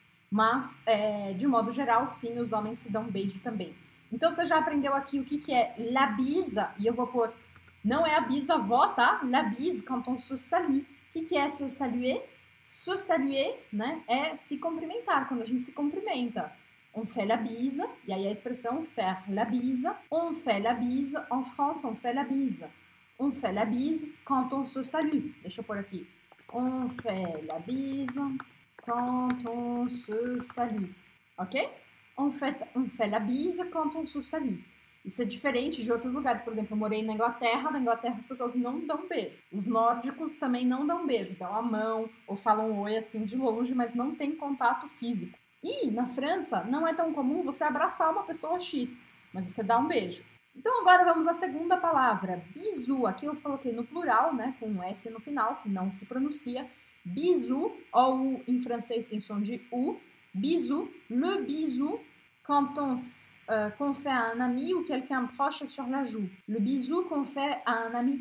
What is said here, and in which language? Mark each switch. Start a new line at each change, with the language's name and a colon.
Portuguese: Mas, de modo geral, sim, os homens se dão um beijo também. Então, você já aprendeu aqui o que, que é la bise, e eu vou pôr, não é a bisavó, tá?
French: La bise, quand on se salue.
Portuguese: O que, que é se saluer? Se saluer, né, é se cumprimentar, quando a gente se cumprimenta.
French: On fait la bise,
Portuguese: e aí a expressão
French: faire la bise. On fait la bise, en France, on fait la bise. On fait la bise, quand on se salue.
Portuguese: Deixa eu pôr aqui.
French: On fait la bise, quand on se salue. Ok? On fait la bise quand on se salue.
Portuguese: Isso é diferente de outros lugares. Por exemplo, eu morei na Inglaterra. Na Inglaterra as pessoas não dão beijo. Os nórdicos também não dão beijo. Dão a mão ou falam oi assim de longe, mas não tem contato físico. E na França não é tão comum você abraçar uma pessoa X, mas você dá um beijo. Então agora vamos à segunda palavra, bisu. Aqui eu coloquei no plural, né, com um S no final, que não se pronuncia. Bisu, ou em francês tem som de U.
French: Bisu, le bisu, quand qu'on fait à un ami ou quelqu'un proche sur la joue. Le bisu qu'on fait à un ami.